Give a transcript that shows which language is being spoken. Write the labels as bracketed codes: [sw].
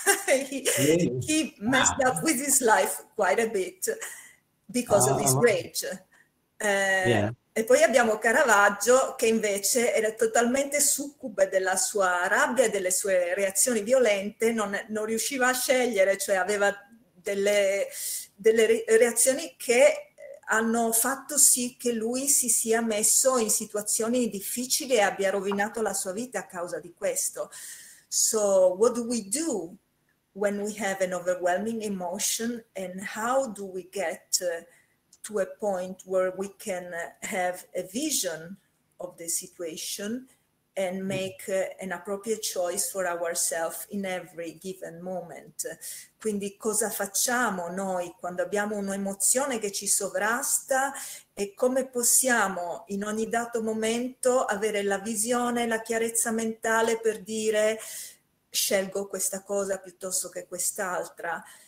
[en] he messed up with his life quite a bit because of his rage. [it] E poi abbiamo Caravaggio, che invece era totalmente succube della sua rabbia e delle sue reazioni violente, non riusciva a scegliere, cioè aveva delle reazioni che hanno fatto sì che lui si sia messo in situazioni difficili e abbia rovinato la sua vita a causa di questo. [en] So, what do we do when we have an overwhelming emotion and how do we get to a point where we can have a vision of the situation and make an appropriate choice for ourselves in every given moment? [it] Quindi cosa facciamo noi quando abbiamo un'emozione che ci sovrasta e come possiamo in ogni dato momento avere la visione, la chiarezza mentale per dire scelgo questa cosa piuttosto che quest'altra?